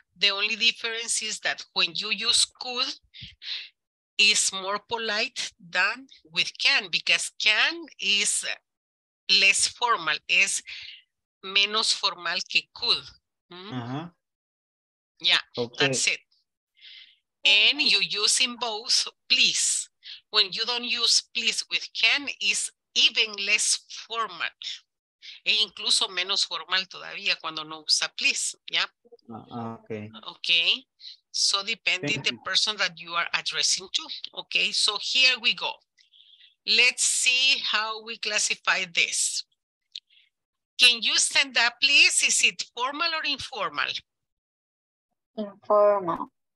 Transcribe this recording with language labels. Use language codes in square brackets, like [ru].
[en] The only difference is that when you use could, it's more polite than with can, because can is less formal, [es] es menos formal que [en] could. Mm? Uh-huh. Yeah, okay. That's it. And you use in both please. When you don't use please with can, it's even less formal. [es] E incluso menos formal todavía cuando no usa please, ¿ya? [en] Okay. Okay. So depending the person that you are addressing to. Okay, so here we go. Let's see how we classify this. Can you stand up, please? Is it formal or informal? Informal.